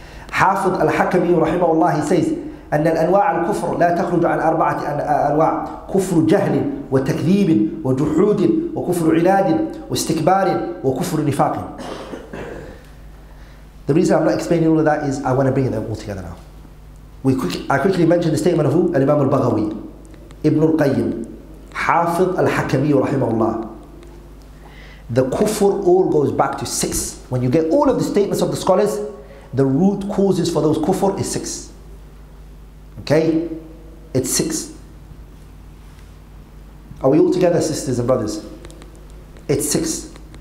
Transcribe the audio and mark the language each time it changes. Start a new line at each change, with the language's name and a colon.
English: Hafidh al-Hakami rahimahullah says,
Arabic: أن الأنواع الكفر لا تخرج عن أربعة أنواع كفر جهل وتكذيب وجحود وكفر عناد واستكبار وكفر نفاق.
English: The reason I'm not explaining all of that is I want to bring them all together now. I quickly mentioned the statement of who?
Arabic: الإمام البغوي ابن القيم حافظ الحكمي رحمه الله.
English: The kufr all goes back to six. When you get all of the statements of the scholars, the root causes for those kufr is six. Okay, it's six. Are we all together, sisters and brothers? It's six.